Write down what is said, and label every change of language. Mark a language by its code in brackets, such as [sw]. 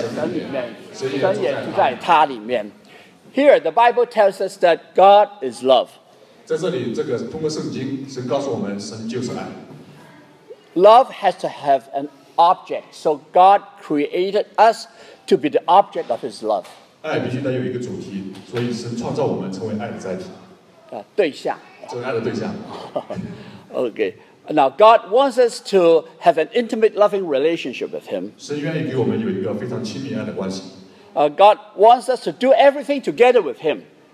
[zh] 住在爱里面的，就是住在神里面，神也住在他里面。 [en] Here, the Bible tells us that God is love. [zh] 在这里，这个通过圣经，神告诉我们，神就是爱。 [en] Love has to have an object, so God created us to be the object of His love. [zh] 爱必须得有一个主题，所以神创造我们成为爱的载体。对象。这个爱的对象。Okay. [en] Now, God wants us to have an intimate, loving relationship with Him. God wants us to do everything together with Him.